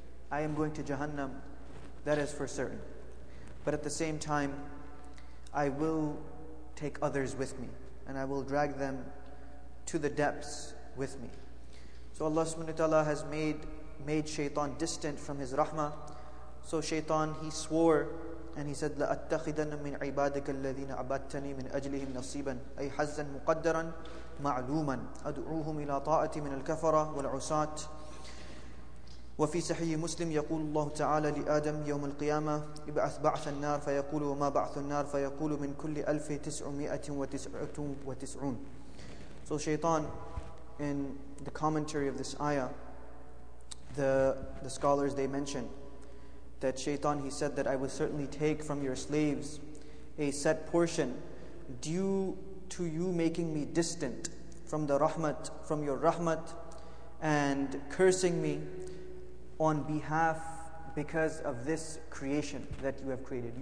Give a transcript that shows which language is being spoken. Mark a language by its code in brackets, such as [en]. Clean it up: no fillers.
[en] I am going to Jahannam, that is for certain. But at the same time, I will take others with me, and I will drag them to the depths with me. So Allah subhanahu wa ta'ala has made Shaytan distant from his rahmah. So Shaytan, he swore and he said, [ar] لَأَتَّخِذَنَّ مِنْ عِبَادِكَ الَّذِينَ عَبَدْتَنِي مِنْ أَجْلِهِمْ نَصِيبًا أَيْ حَزًّا مُقَدَّرًا مَعْلُومًا أَدْعُوهُمْ إِلَىٰ طَاعَتِي مِنَ الْكَفَرَةِ وَالْعُسَاتِ. وفي صحيح مسلم يقول الله تعالى لآدم يوم القيامة ابعث بعث النار فيقول وما بعث النار فيقول من كل ألف تسعمائة وتسعة وتسعون. [en] So Shaytan, in the commentary of this ayah, the scholars, they mention that Shaytan, he said that I will certainly take from your slaves a set portion due to you making me distant from the rahmat, from your rahmat, and cursing me on behalf, because of this creation that you have created.